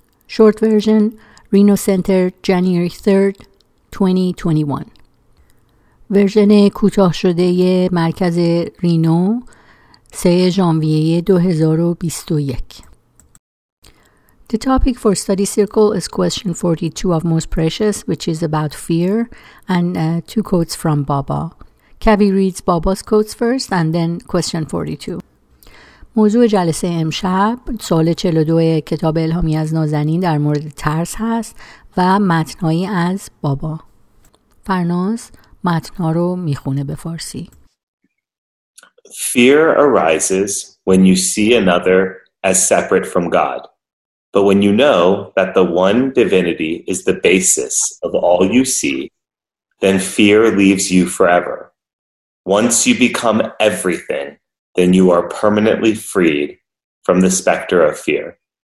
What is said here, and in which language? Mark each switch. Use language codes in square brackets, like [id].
[en] Short version, Reno Center, January 3rd, 2021. [fa] ورژن کوتاه شده مرکز رینو 3 ژانویه 2021. [en] The topic for study circle is question 42 of Most Precious, which is about fear, and two quotes from Baba. Kavi reads Baba's quotes first and then question 42. [fa] موضوع جلسه امشب سوال 42 کتاب الهامی از نازنین در مورد ترس هست و متنهایی از بابا. فرناز متنها رو میخونه به فارسی. [en] Fear arises when you see another as separate from God. But when you know that the one divinity is the basis of all you see, then fear leaves you forever. Once you become everything, then you are permanently freed from the specter of fear.